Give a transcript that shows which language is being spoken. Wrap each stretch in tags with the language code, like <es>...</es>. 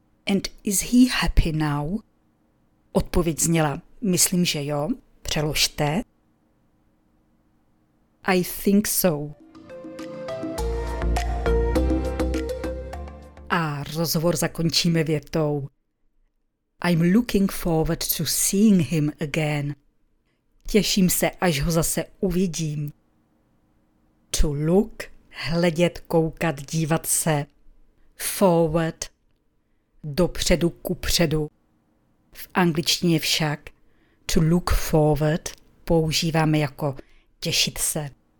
<en>And is he happy now?</en> <cs>Odpověď zněla. Myslím, že jo. Přeložte.</cs> <en>I think so.</en> <cs>A rozhovor zakončíme větou.</cs> <en>I'm looking forward to seeing him again.</en> <cs>Těším se, až ho zase uvidím. To look, hledět, koukat, dívat se.</cs> <en>Forward,</en> <cs>dopředu, kupředu. V angličtině však to look forward používáme jako těšit se.</cs>